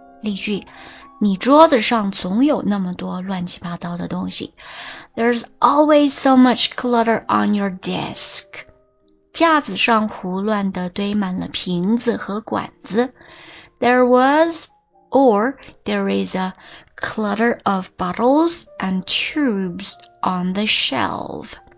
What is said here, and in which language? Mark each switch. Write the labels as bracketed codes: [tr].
[zh] 例句，你桌子上总有那么多乱七八糟的东西。 [en] There's always so much clutter on your desk. [zh] 架子上胡乱地堆满了瓶子和管子。 [en] There was or there is aclutter of bottles and tubes on the shelf.